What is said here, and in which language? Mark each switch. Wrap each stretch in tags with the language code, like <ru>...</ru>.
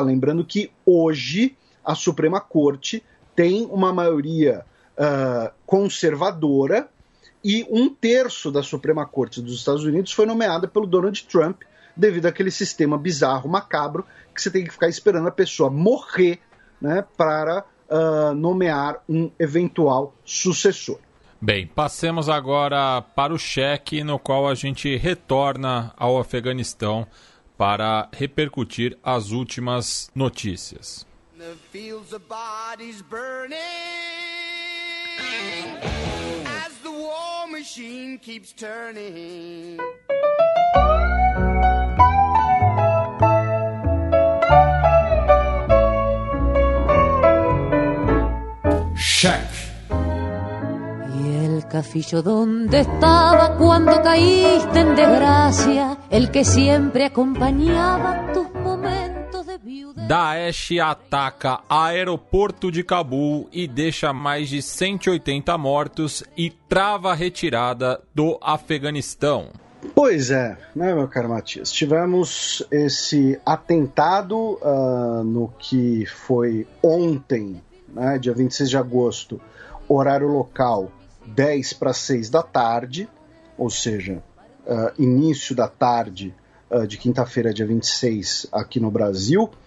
<pt>Lembrando que hoje a Suprema Corte tem uma maioria conservadora e um terço da Suprema Corte dos Estados Unidos foi nomeada pelo Donald Trump devido àquele sistema bizarro, macabro, que você tem que ficar esperando a pessoa morrer, né, para nomear um eventual sucessor. Bem, passemos agora para o cheque, no qual a gente retorna ao Afeganistão para repercutir as últimas notícias.</pt> <en>The fields of bodies burning, as the war machine keeps turning.</en> <es>Caficho, ¿dónde estaba cuando caíste en desgracia? El que siempre acompañaba tus momentos de viuda.</es> <pt>Daesh ataca aeroporto de Cabul e deixa mais de 180 mortos e trava a retirada do Afeganistão. Pois é, né, meu caro Matias? Tivemos esse atentado no que foi ontem, né, dia 26 de agosto, horário local, 10 para 6 da tarde, ou seja, início da tarde de quinta-feira, dia 26, aqui no Brasil.</pt>